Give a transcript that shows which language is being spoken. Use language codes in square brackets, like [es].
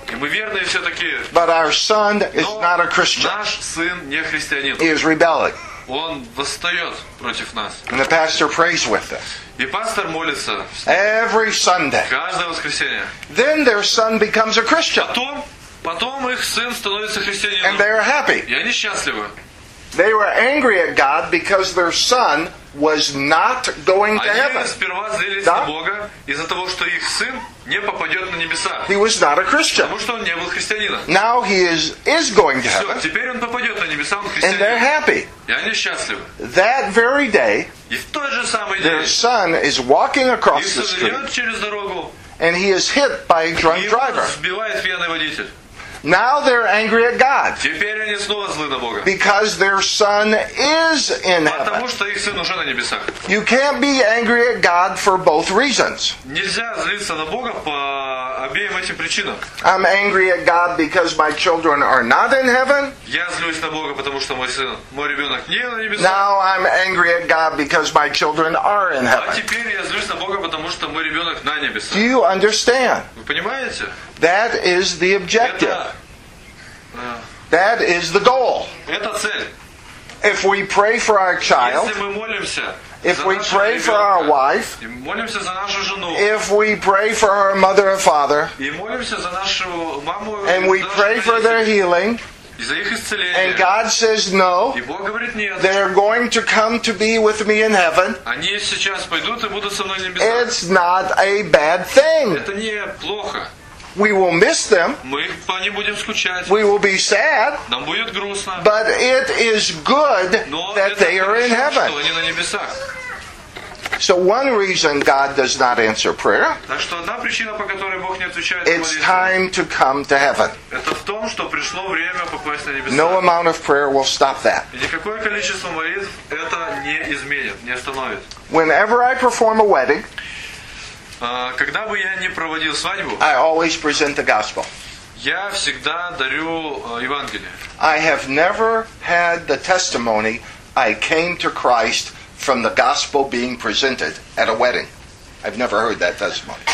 [ru] И мы верные все такие. [en] But our son is not a Christian. [ru] Наш сын не христианин. [en] He is rebelling. [ru] Он восстает против нас. [en] And the pastor prays with us. [ru] И пастор молится. [en] Every Sunday. [ru] Каждое воскресенье. [en] Then their son becomes a Christian. [ru] Потом их сын становится христианином. [en] And they are happy. [ru] И они счастливы. [en] They were angry at God because their son was not going to heaven. [ru] Они сперва злились на Бога из-за того, что их сын не попадет на небеса. [en] He was not a Christian. [ru] Потому что он не был христианином. [en] Now he is going to heaven. [ru] Все, теперь он попадет на небеса, он христианин. [en] And they're happy. [ru] И они счастливы. [en] That very day, [ru] и в тот же самый день, [en] their son is walking across the street, [ru] идет через дорогу, [en] and he is hit by a drunk driver. [ru] И его сбивает пьяный водитель. [en] Now they're angry at God. [ru] Теперь они снова злы на Бога. [en] Because their son is in heaven. [ru] Потому что их сын уже на небесах. [en] You can't be angry at God for both reasons. [ru] Нельзя злиться на Бога по обеим этим причинам. [en] I'm angry at God because my children are not in heaven. [ru] Я злюсь на Бога, потому что мой ребенок не на небесах. [en] Now I'm angry at God because my children are in heaven. [ru] А теперь я злюсь на Бога, потому что мой ребенок на небесах. [en] Do you understand? [ru] Вы понимаете? [en] That is the objective. That is the goal. [ru] Это цель. [en] If we pray for our child, [ru] если мы молимся, [en] if we pray for our wife, [ru] и молимся за нашу жену, [en] if we pray for our mother and father, [ru] и молимся за нашу маму, [en] and we pray for their healing, [ru] и за их исцеление, [en] and God says no, [ru] и Бог говорит нет, [en] they're going to come to be with me in heaven, [ru] они сейчас пойдут и будут со мной на небесах, [en] it's not a bad thing. [ru] Это не плохо. [en] We will miss them. [ru] Мы по ним будем скучать. [en] We will be sad. [ru] Нам будет грустно. [en] But it is good that they are in heaven. [ru] Но это хорошо, что они на небесах. [en] So one reason God does not answer prayer. [ru] Так что одна причина, по которой Бог не отвечает молитве. [en] It's time to come to heaven. [ru] Это в том, что пришло время попасть на небеса. [en] No amount of prayer will stop that. [ru] И никакое количество молитв это не изменит, не остановит. [en] Whenever I perform a wedding. [ru] Когда бы я не проводил свадьбу, [en] I always present the gospel. [ru] Я всегда дарю Евангелие. [en] I have never had the testimony I came to Christ from the gospel being presented at a wedding. I've never heard that testimony.